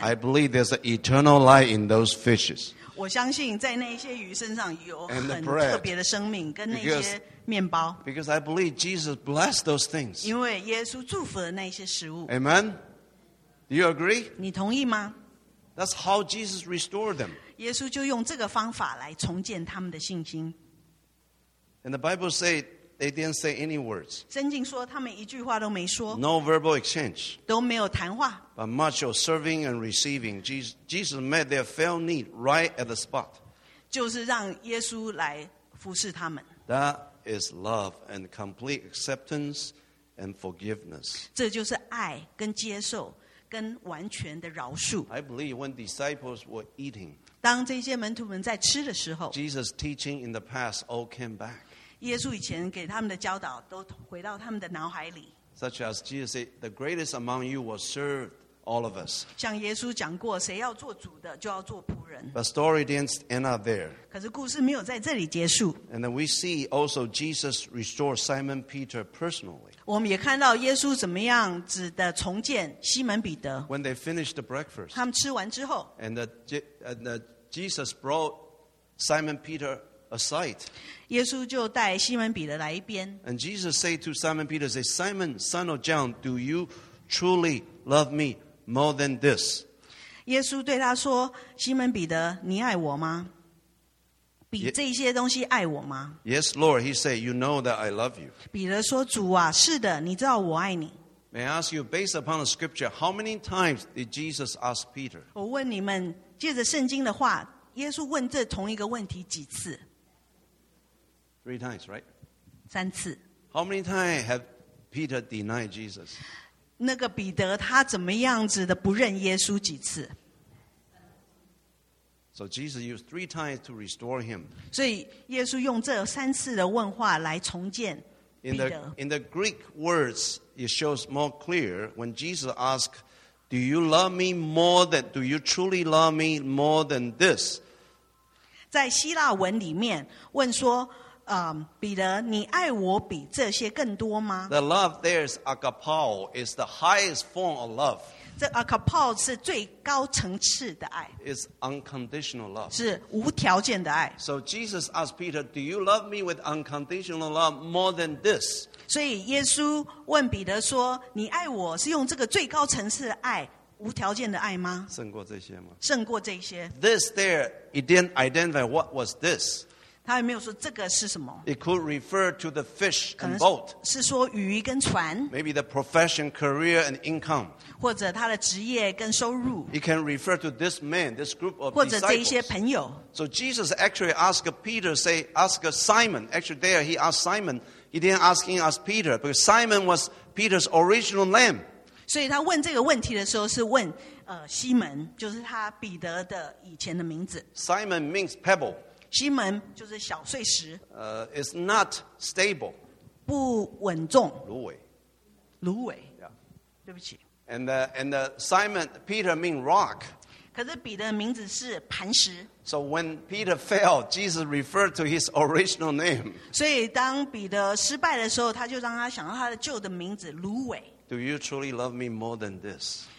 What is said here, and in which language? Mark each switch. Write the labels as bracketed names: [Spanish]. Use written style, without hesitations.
[English] I believe there's an eternal light in those fishes. [Chinese] 我相信在那些鱼身上有很特别的生命跟那些面包。 [English] Because I believe Jesus blessed those things. [Chinese] 因为耶稣祝福了那些食物。 [English] Amen? Do you agree? [Chinese] 你同意吗? [English] That's how Jesus restored them. [Chinese] 耶稣就用这个方法来重建他们的信心。 [English] And the Bible said they didn't say any words. [Chinese] 圣经说他们一句话都没说。 [English] No verbal exchange. [Chinese] 都没有谈话。 [English] But much of serving and receiving, Jesus met their felt need right at the spot. [Chinese] 就是让耶稣来服侍他们。 [English] That is love and complete acceptance and forgiveness. [Chinese] 这就是爱跟接受跟完全的饶恕。 [English] I believe when disciples were eating, [Chinese] 当这些门徒们在吃的时候 [English] ，Jesus teaching in the past all came back. [Chinese] 耶稣以前给他们的教导都回到他们的脑海里。 [English] Such as Jesus said, "The greatest among you will serve all of us." [Chinese] 像耶稣讲过，谁要做主的，就要做仆人。 [English] But story didn't end up there. [Chinese] 可是故事没有在这里结束。 [English] And then we see also Jesus restore Simon Peter personally. [Chinese] 我们也看到耶稣怎么样子的重建西门彼得。 [English] When they finished the breakfast, [Chinese] 他们吃完之后 [English] ，and Jesus brought Simon Peter. Aside. [Chinese] 耶稣就带西门彼得来一边。 [English] And Jesus said to Simon Peter, say, Simon, son of John, do you truly love me more than this? [Chinese] 耶稣对他说，西门彼得，你爱我吗？比这些东西爱我吗？ [English] Yes, Lord, he said, you know that I love you. [Chinese] 彼得说，主啊，是的，你知道我爱你。 [English] May I ask you, based upon the scripture, how many times did Jesus ask Peter? [Chinese] 我问你们，借着圣经的话，耶稣问这同一个问题几次？ [English] Three times, right? [Chinese] 三次。 [English] How many times have Peter denied Jesus? [Chinese] 那个彼得他怎么样子的不认耶稣几次？ [English] So Jesus used three times to restore him. [Chinese] 所以耶稣用这三次的问话来重建彼得。 [English] In the Greek words, it shows more clear when Jesus asked. Do you love me more than, do you truly love me more than this? [Chinese] 在希腊文里面问说、彼得你爱我比这些更多吗？ [English] The love there is agapao, is the highest form of love. [Chinese] 这 agapao 是最高层次的爱。 [English] It's unconditional love. [Chinese] 是无条件的爱。 [English] So Jesus asked Peter, do you love me with unconditional love more than this? [Chinese] 所以耶稣问彼得说：“你爱我是用这个最高层次的爱，无条件的爱吗？” 胜过这些吗？胜过这些。 [English] This there, it didn't identify what was this. [Chinese] 他还没有说这个是什么。 [English] It could refer to the fish and boat. [Chinese] 是说鱼跟船。 [English] Maybe the profession, career, and income. [Chinese] 或者他的职业跟收入。 [English] It can refer to this man, this group of disciples. [Chinese] 或者这一些朋友。 [English] So Jesus actually asked Peter, say, ask Simon. Actually, there he asked Simon. He didn't ask him as Peter, because Simon was Peter's original name. [Chinese] 所以他问这个问题的时候是问、西门，就是他彼得的以前的名字。 [English] Simon means pebble. [Chinese] 西门就是小碎石。 [English] It's not stable. [Chinese] 不稳重。芦苇。芦苇。 [English] Yeah. [Chinese] 对不起。 [English] And Simon, Peter means rock. [Chinese] 可是彼得的名字是磐石。 [English] So when Peter fell, Jesus referred to his original name. [Chinese] 所以当彼得失败的时候，他就让他想到他的旧的名字芦苇。 [English] Do you truly love me more than this?